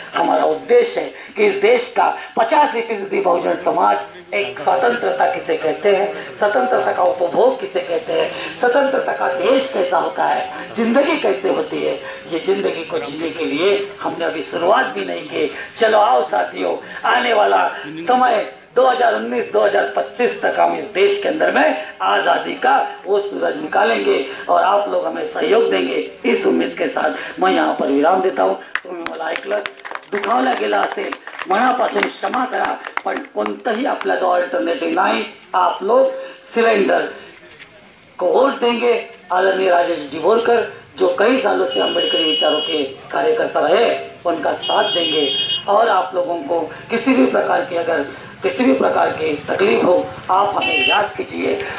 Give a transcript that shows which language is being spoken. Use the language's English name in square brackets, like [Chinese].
[Hindi] हमारा उद्देश्य है कि इस देश का 85% बहुजन समाज, एक स्वतंत्रता किसे कहते हैं, स्वतंत्रता का उपभोग किसे कहते हैं, स्वतंत्रता का देश कैसा होता है, जिंदगी कैसे होती है, ये जिंदगी को जीने के लिए हमने अभी शुरुआत भी नहीं की। चलो आओ साथियों, आने वाला समय 2019-2025 तक हम इस देश के अंदर में आजादी का वो सूरज निकालेंगे और आप लोग हमें सहयोग देंगे। इस उम्मीद के साथ मैं यहाँ पर विराम देता हूँ। [Marathi] तुम्हें मला ऐकलं, दुखावला गेला असेल मनापासून क्षमा करा, पण कोणतंही आपल्या जवळ अल्टरनेटिव्ह नाही। [Hindi] आप लोग सिलेंडर को वोट देंगे आदरणीय राजेश डिबोरकर, जो कई सालों से अंबेडकरी विचारों के कार्यकर्ता रहे, उनका साथ देंगे। और आप लोगों को किसी भी प्रकार की अगर किसी भी प्रकार की तकलीफ हो, आप हमें याद कीजिए।